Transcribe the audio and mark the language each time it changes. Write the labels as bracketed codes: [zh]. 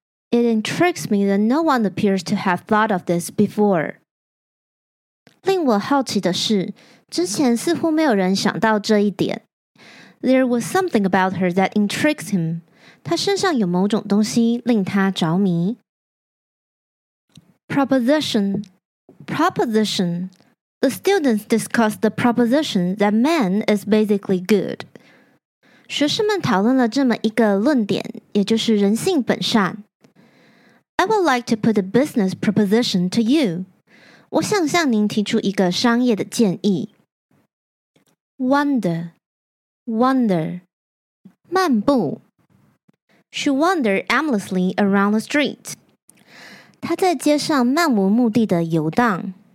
[en] It intrigues me that no one appears to have thought of this before. [zh] 令我好奇的是，之前似乎没有人想到这一点。 [en] There was something about her that intrigues him. [zh] 她身上有某种东西令他着迷。 [en] Proposition. Proposition. The students discussed the proposition that man is basically good. [zh] 学生们讨论了这么一个论点，也就是人性本善。 [en] I would like to put a business proposition to you. [zh] 我想向您提出一个商业的建议。 [en] Wonder. Wonder. [zh] 漫步。 [en] She wandered aimlessly around the street. [zh] 她在街上漫无目的地游荡。